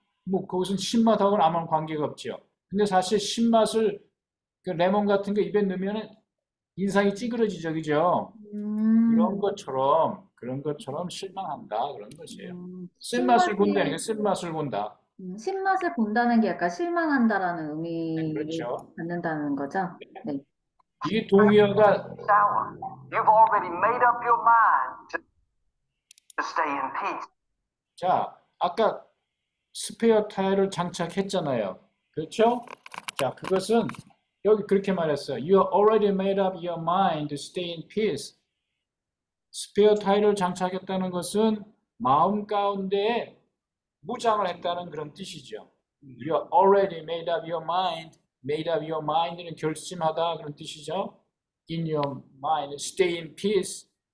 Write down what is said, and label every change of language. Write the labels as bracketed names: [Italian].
[Korean] 뭐 그것은 신맛하고는 아무 관계가 없죠. 근데 사실 신맛을 그 레몬 같은 거 입에 넣으면 인상이 찌그러지죠. 그죠? 이런 것처럼 그런 것처럼 실망한다 그런 것이에요. 쓴맛을 본다는 게 쓴맛을 본다. 쓴맛을 본다는 게 약간 실망한다라는 의미를 네, 그렇죠. 갖는다는 거죠. 네. 이게 동의어가 [English] You've already made up your mind to stay in peace. [Korean] 자, 아까 스페어 타이어를 장착했잖아요. 그렇죠? 자, 그것은 여기 그렇게 말했어요. [English] You already made up your mind to stay in peace. [Korean] 스페어 타이어를 장착했다는 것은 마음 가운데 무장을 했다는 그런 뜻이죠. [English] You are already made up your mind. Made up your mind는 [Korean] 결심하다 그런 뜻이죠. [English] In your mind, stay in peace.